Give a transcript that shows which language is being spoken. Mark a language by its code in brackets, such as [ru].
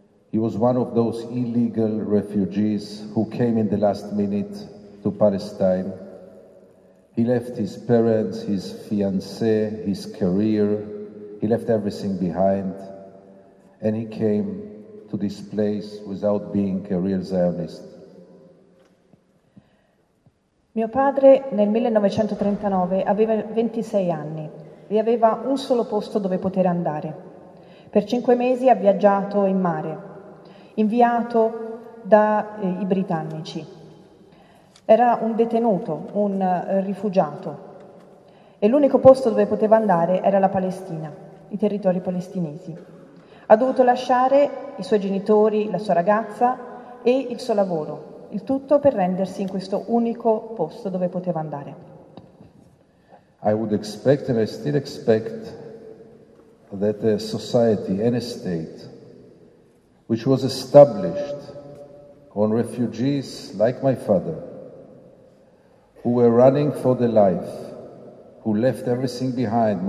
[en] He was one of those illegal refugees who came in the last minute to Palestine. He left his parents, his fiancé, his career. He left everything behind. And he came to this place without being a real Zionist. [it] Mio padre nel 1939 aveva 26 anni e aveva un solo posto dove poter andare. Per 5 mesi ha viaggiato in mare, inviato dai britannici. Era un detenuto, un rifugiato. E l'unico posto dove poteva andare era la Palestina, i territori palestinesi. Ha dovuto lasciare i suoi genitori, la sua ragazza e il suo lavoro, il tutto per rendersi in questo unico posto dove poteva andare. [en] I would expect and I still expect that a society, any state, which was established on refugees like my father, who were running for their life, who left everything behind.